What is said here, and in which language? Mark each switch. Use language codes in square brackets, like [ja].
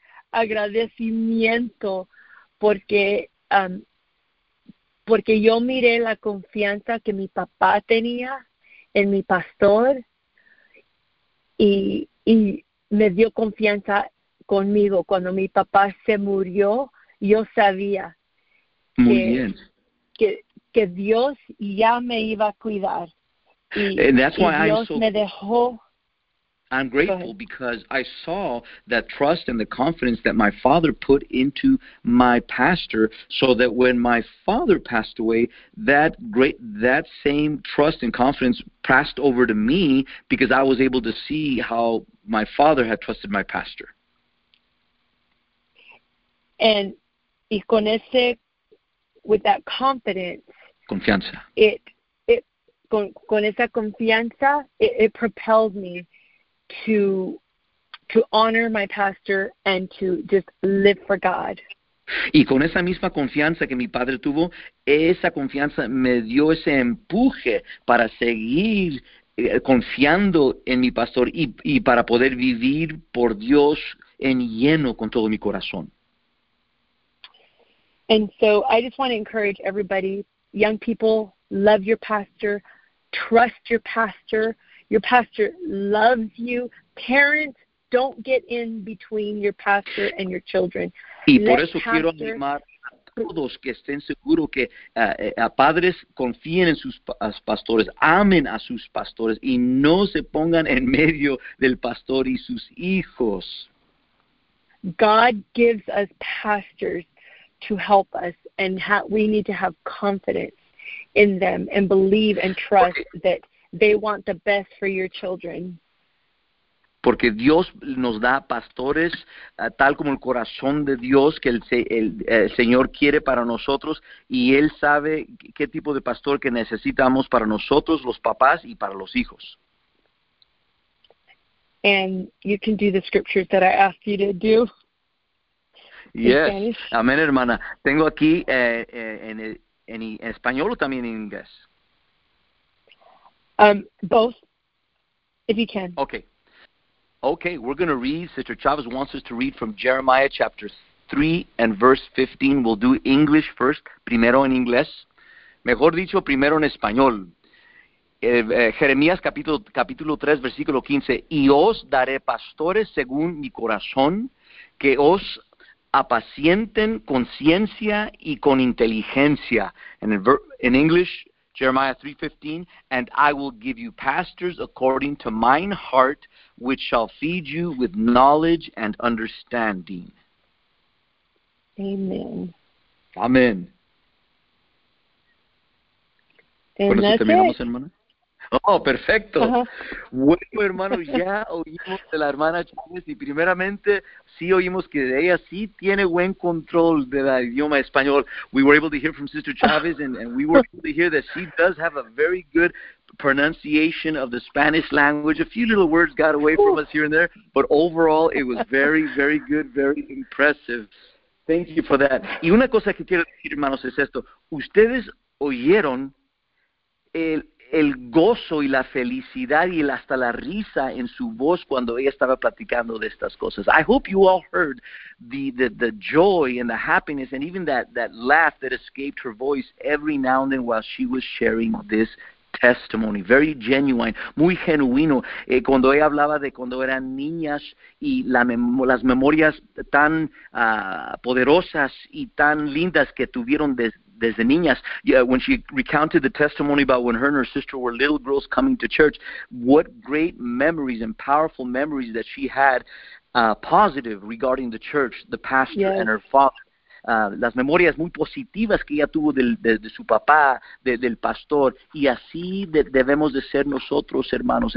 [es] Agradecimiento porque yo miré la confianza que mi papá tenía en mi pastor y me dio confianza conmigo. Cuando mi papá se murió, yo sabía que Dios ya me iba a cuidar. [en] And that's why I'm grateful because I saw that trust and the confidence that my father put into my pastor so that when my father passed away, that same trust and confidence passed over to me because I was able to see how my father had trusted my pastor. And with that confidence, [es] confianza. Con esa confianza, [en] it propelled me to honor my pastor and to just live for God. [es] Y con esa misma confianza que mi padre tuvo, esa confianza me dio ese empuje para seguir confiando en mi pastor y para poder vivir por Dios en lleno con todo mi corazón. [en] And so I just want to encourage everybody, young people, love your pastor. Trust your pastor. Your pastor loves you. Parents, don't get in between your pastor and your children. [es] Y por eso quiero animar a todos que estén seguros que a padres confíen en sus pastores, amen a sus pastores y no se pongan en medio del pastor y sus hijos. [en] God gives us pastors to help us, and we need to have confidence in them and believe and trust that they want the best for your children. [es] Porque Dios nos da pastores tal como el corazón de Dios que el Señor quiere para nosotros y Él sabe qué tipo de pastor que necesitamos para nosotros, los papás y para los hijos. [en] And you can do the scriptures that I asked you to do. Yes. [es] Amén, hermana. Tengo aquí en español o también en inglés? [en] Both, if you can. Okay. Okay, we're going to read. Sister Chavez wants us to read from Jeremiah chapter 3 and verse 15. We'll do English first, [es] primero en inglés. Mejor dicho, primero en español. Jeremías capítulo 3, versículo 15. Y os daré pastores según mi corazón que os apacienten con ciencia y con inteligencia. [en] And in English, Jeremiah 3:15, and I will give you pastors according to mine heart, which shall feed you with knowledge and understanding. Amen. Amen. And that's [es] terminamos, [en] it. [es] Hermana? Oh, perfecto. Uh-huh. Bueno, hermano, ya oímos de la hermana Chávez y primeramente sí oímos que ella sí tiene buen control del idioma español. [en] We were able to hear from Sister Chávez and we were able to hear that she does have a very good pronunciation of the Spanish language. A few little words got away from us here and there, but overall it was very, very good, very impressive. Thank you for that. [es] Y una cosa que quiero decir, hermanos, es esto. Ustedes oyeron el gozo y la felicidad y hasta la risa en su voz cuando ella estaba platicando de estas cosas. [en] I hope you all heard the joy and the happiness and even that laugh that escaped her voice every now and then while she was sharing this testimony. Very genuine, [es] muy genuino. Cuando ella hablaba de cuando eran niñas y las memorias tan poderosas y tan lindas que tuvieron desde niñas. [en] Yeah, when she recounted the testimony about when her and her sister were little girls coming to church, what great memories and powerful memories that she had, positive regarding the church, the pastor, yes, and her father. [es] Las memorias muy positivas que ella tuvo de su papá, del pastor, y así debemos de ser nosotros, hermanos.